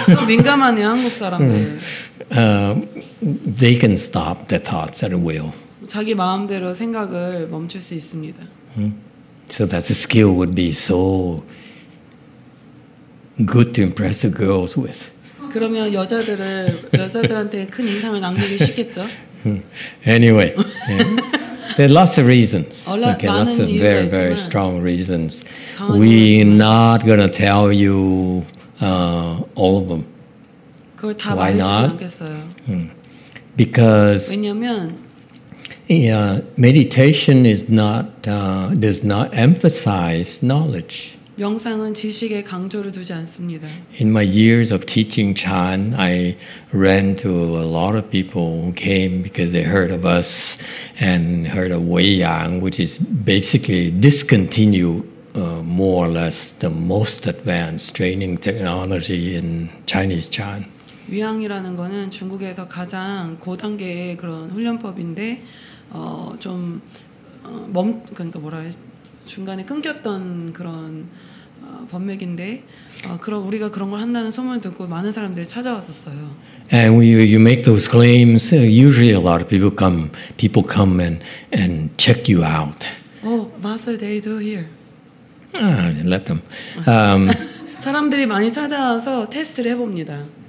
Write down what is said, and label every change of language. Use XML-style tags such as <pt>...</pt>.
<ko>So 민감하네 한국 사람들.</ko> <en>They can stop their thoughts at a will.</en> <ko>자기 마음대로 생각을 멈출 수 있습니다.</ko> <en>So that skill would be so good to impress the girls with.</en> <ko>그러면 여자들한테 큰 인상을 남기기 쉽겠죠.</ko> <en>Anyway. There are lots of reasons. Okay, lots of very, very strong reasons. We're not going to tell you all of them. Why not? Because</en> <ko>왜냐면,</ko> <en>meditation is not does not emphasize knowledge.</en> <ko>명상은 지식에 강조를 두지 않습니다.</ko> <en>In my years of teaching Chan, I ran to a lot of people who came because they heard of us and heard of Wei Yang, which is basically discontinued more or less the most advanced training technology in Chinese Chan.</en> <ko>위양이라는 거는 중국에서 가장 고단계의 그런 훈련법인데 좀 멈 그러니까 뭐라 해야 되지? 중간에 끊겼던 그런 법맥인데 그럼 우리가 그런 걸 한다는 소문을 듣고 많은 사람들이 찾아왔었어요.</ko> <en>And you make those claims, usually a lot of people come and check you out. Oh, what are they do here? Let them.</en> <ko>사람들이 많이 찾아와서 테스트를 해봅니다.</ko>